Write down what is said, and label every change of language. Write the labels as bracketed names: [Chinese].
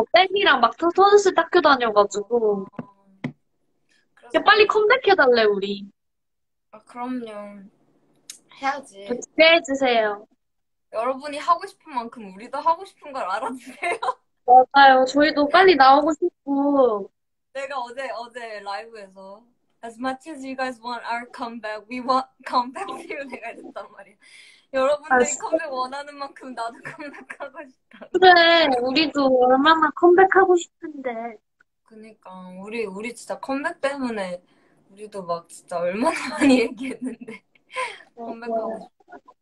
[Korean] 땡이랑 막 터졌을 때 학교 다녀가지고. 그래서 빨리 컴백해달래, 우리. 그럼요. 해야지. 기대해주세요. 여러분이 하고 싶은 만큼 우리도 하고 싶은 걸 알아주세요. 맞아요. 저희도 빨리 나오고 싶고. 내가 어제 라이브에서 [English] As much as you guys want our comeback, we want comeback with you. [Korean] 내가 했단 말이야. 여러분들이 컴백 원하는 만큼 나도 컴백하고 그래, 우리도 얼마나 컴백하고 싶은데. 싶다. 그니까 우리 진짜 컴백 때문에 우리도 막 진짜 얼마나 많이 얘기했는데. 컴백하고 싶다.